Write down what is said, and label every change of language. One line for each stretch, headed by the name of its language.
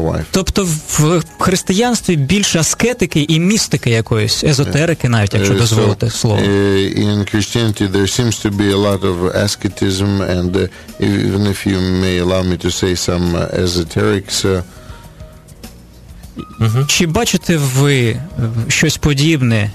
Ukrainian: Тобто в християнстві більше аскетики і містики якоїсь, езотерики навіть, якщо дозволити слово.
English: In Christianity there seems to be a lot of asceticism and even if you may allow me to say some esoterics. Mm-hmm.
Ukrainian: Чи бачите ви щось подібне?